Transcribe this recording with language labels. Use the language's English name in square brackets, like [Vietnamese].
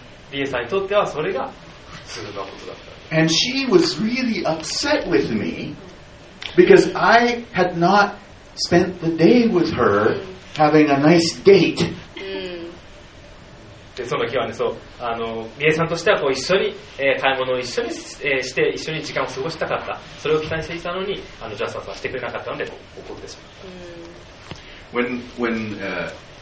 [Japanese] リエさんにとってはそれが普通のことだった。 [English] And she was really upset with me because I had not spent the day with her having a nice date. [Japanese] で、その日はね、そう、あの、リエさんとしてはこう一緒に、買い物を一緒に、して一緒に時間を過ごしたかった。それを期待していたのに、あの、ジャスターはしてくれなかったので怒ってしまった。